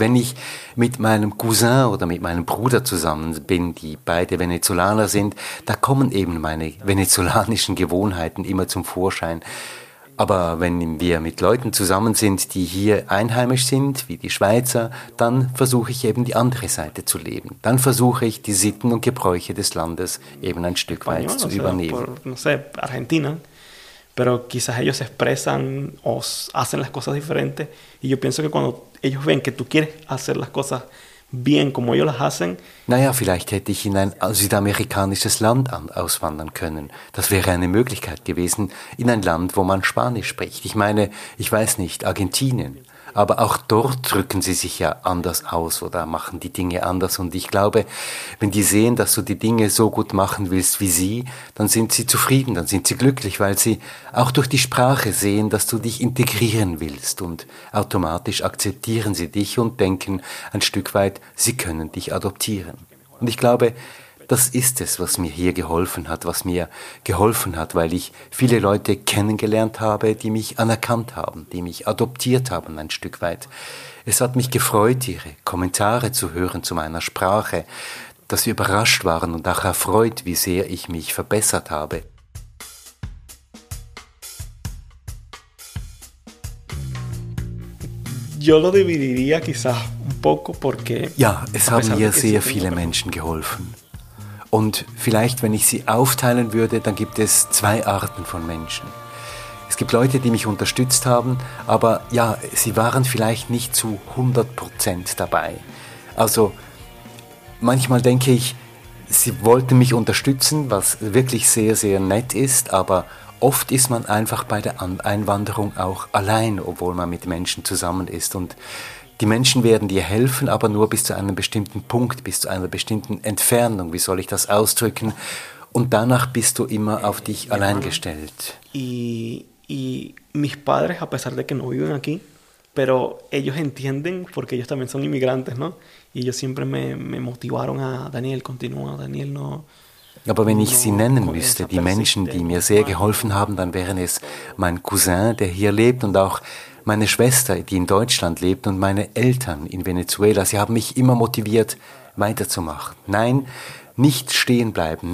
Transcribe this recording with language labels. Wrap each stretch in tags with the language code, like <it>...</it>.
<de>Wenn ich mit meinem Cousin oder mit meinem Bruder zusammen bin, die beide Venezolaner sind, da kommen eben meine venezolanischen Gewohnheiten immer zum Vorschein. Aber wenn wir mit Leuten zusammen sind, die hier einheimisch sind, wie die Schweizer, dann versuche ich eben die andere Seite zu leben. Dann versuche ich, die Sitten und Gebräuche des Landes eben ein Stück weit zu übernehmen.</de> <es>Argentina. Pero quizás ellos se expresan o hacen las cosas diferentes. Y yo pienso que cuando ellos ven que tú quieres hacer las cosas bien como ellos las hacen...</es> <de>Naja, vielleicht hätte ich in ein südamerikanisches Land auswandern können. Das wäre eine Möglichkeit gewesen, in ein Land, wo man Spanisch spricht. Ich meine, ich weiß nicht, Argentinien. Aber auch dort drücken sie sich ja anders aus oder machen die Dinge anders. Und ich glaube, wenn die sehen, dass du die Dinge so gut machen willst wie sie, dann sind sie zufrieden, dann sind sie glücklich, weil sie auch durch die Sprache sehen, dass du dich integrieren willst. Und automatisch akzeptieren sie dich und denken ein Stück weit, sie können dich adoptieren. Und ich glaube, das ist es, was mir hier geholfen hat, was mir geholfen hat, weil ich viele Leute kennengelernt habe, die mich anerkannt haben, die mich adoptiert haben ein Stück weit. Es hat mich gefreut, ihre Kommentare zu hören zu meiner Sprache, dass sie überrascht waren und auch erfreut, wie sehr ich mich verbessert habe.</de> <es>Yo lo dividiría quizás un poco porque...</es> <de>Ja, es haben mir sehr viele Menschen geholfen. Und vielleicht, wenn ich sie aufteilen würde, dann gibt es zwei Arten von Menschen. Es gibt Leute, die mich unterstützt haben, aber ja, sie waren vielleicht nicht zu 100% dabei. Also manchmal denke ich, sie wollten mich unterstützen, was wirklich sehr, sehr nett ist, aber oft ist man einfach bei der Einwanderung auch allein, obwohl man mit Menschen zusammen ist. Und die Menschen werden dir helfen, aber nur bis zu einem bestimmten Punkt, bis zu einer bestimmten Entfernung, wie soll ich das ausdrücken? Und danach bist du immer auf dich allein gestellt.</de> <es>Y mis padres, a pesar de que no viven aquí, pero ellos entienden, porque ellos también son inmigrantes, ¿no? Y ellos siempre me motivaron a Daniel, continúa, Daniel, ¿no?</es> <de>Aber wenn ich sie nennen müsste, die Menschen, die mir sehr geholfen haben, dann wären es mein Cousin, der hier lebt, und auch meine Schwester, die in Deutschland lebt, und meine Eltern in Venezuela. Sie haben mich immer motiviert, weiterzumachen. Nein, nicht stehen bleiben.</de>